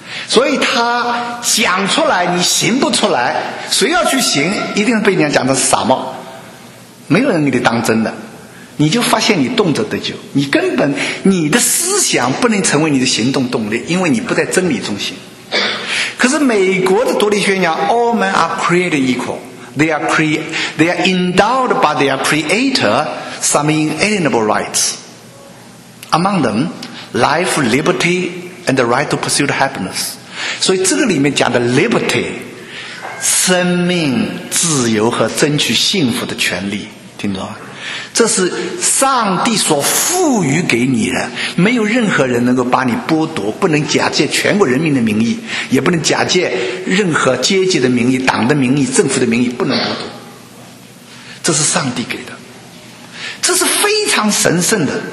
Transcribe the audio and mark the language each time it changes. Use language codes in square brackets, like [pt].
[zh] 所以他讲出来你行不出来，谁要去行一定被人家讲的是傻帽，没有人给你当真的，你就发现你动辄得咎，你根本你的思想不能成为你的行动动力，因为你不在真理中心。可是美国的独立宣言 [en] All men are created equal， They are endowed by their creator some inalienable rights， Among them life, liberty and the right to pursue happiness。 [zh] 所以这个里面讲的 liberty， 生命、自由和争取幸福的权利，听懂吗？这是上帝所赋予给你的，没有任何人能够把你剥夺，不能假借全国人民的名义，也不能假借任何阶级的名义、党的名义、政府的名义，不能剥夺，这是上帝给的，这是非常神圣的。